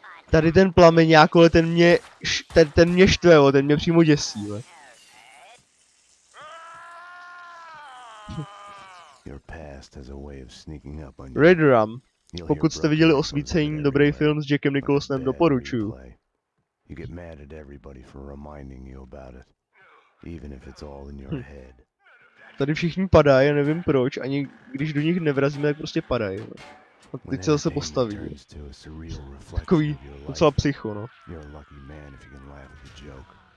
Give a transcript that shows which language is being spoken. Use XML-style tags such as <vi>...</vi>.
<cs>Tady ten plamen nějako, ten mě štve, ten mě přímo děsí, ve.</cs> <en>Your past has a way of sneaking up on you. Red Rum.</en> <cs>Pokud jste viděli Osvícení, dobrý film s Jackem Nicholsonem, doporučuju.</cs> <en>You get mad at everybody for reminding you about it. Even if it's all in your head.</en> <cs>Tady všichni padají, já nevím proč, ani když do nich nevrazíme, tak prostě padají. A teď se zase postaví. Takový docela psycho, no.</cs> <en>You're a lucky man if you can laugh at the joke.</en>